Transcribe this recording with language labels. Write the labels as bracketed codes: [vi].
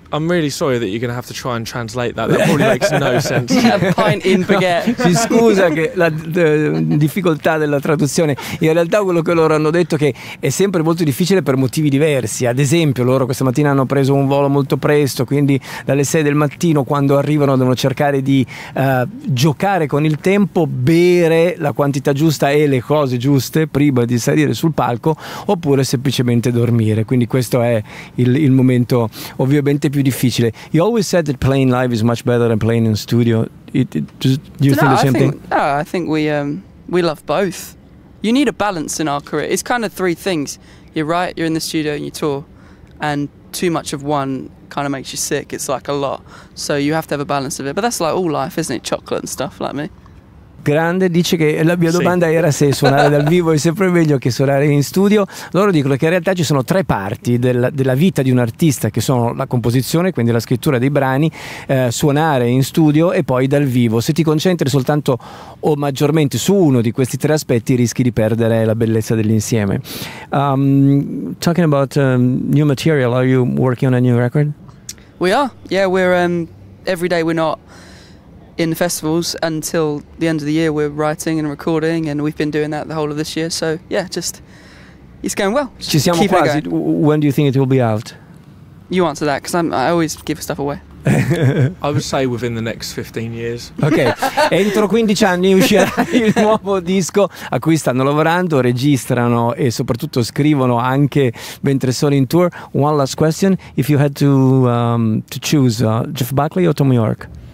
[en] I'm really sorry that you're going to have to try and translate that. That probably makes no sense. A pint in baguette. [it] Si scusa che la difficoltà della traduzione. In realtà quello che loro hanno detto è che è sempre molto difficile per motivi diversi. Ad esempio, loro questa mattina hanno preso un volo molto presto, quindi dalle 6 del mattino quando arrivano devono cercare di giocare con il tempo, bere la quantità giusta e le cose giuste prima di salire sul palco, oppure semplicemente dormire. Quindi questo è il momento ovviamente più difficile. [en] You always said that playing live is much better than playing in studio. I think we love both. You need a balance in our career. It's kind of three things. You write, you're in the studio, and you tour. And too much of one kind of makes you sick. It's like a lot. So you have to have a balance of it. But that's like all life, isn't it? Chocolate and stuff like me. [it] Grande, dice che la mia domanda era se suonare dal vivo è sempre meglio che suonare in studio. Loro dicono che in realtà ci sono tre parti della vita di un artista, che sono la composizione, quindi la scrittura dei brani, suonare in studio e poi dal vivo. Se ti concentri soltanto o maggiormente su uno di questi tre aspetti, rischi di perdere la bellezza dell'insieme. [en] Talking about new material, are you working on a new record? We are, yeah, we're every day we're not in the festivals until the end of the year. We're writing and recording, and we've been doing that the whole of this year, so yeah, just it's going well. [it] Ci siamo quasi. [en] When do you think it will be out? You answer that, because I always give stuff away. I would say within the next 15 years. [it] Ok, entro 15 anni uscirà il nuovo disco a cui stanno lavorando, registrano e soprattutto scrivono anche mentre sono in tour. [en] One last question: if you had to choose Jeff Buckley or Thom Yorke?